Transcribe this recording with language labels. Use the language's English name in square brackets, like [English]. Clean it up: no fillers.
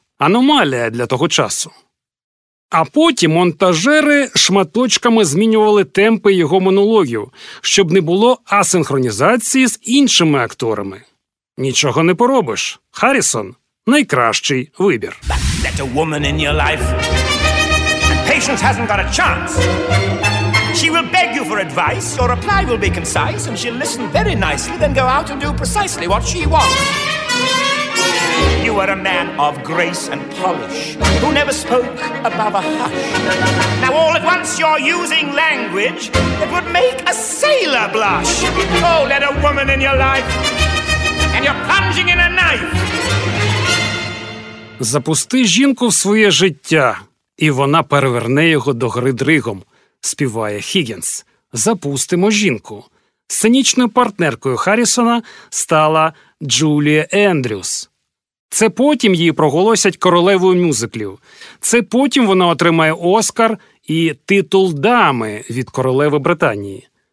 [Ukrainian] Аномалія для того часу. А потім монтажери шматочками змінювали темпи його монологів, щоб не було асинхронізації з іншими акторами. Нічого не поробиш. Харрісон – найкращий вибір. [English] Let a woman in your life. Patience hasn't got a chance. She will beg you for advice, your reply will be concise, and she'll listen very nicely, then go out and do precisely what she wants. You were a man of grace and polish, who never spoke above a hush. Now all at once you're using language that would make a sailor blush. Oh, let a woman in your life, and you're plunging in a knife. [Ukrainian] Запусти жінку в своє життя, і вона переверне його до гри дригом. Співає Хіггінс. Запустимо жінку. Сценічною партнеркою Харрісона стала Джулія Ендрюс. Це потім її проголосять королевою мюзиклів. Це потім вона отримає Оскар і титул дами від королеви Британії.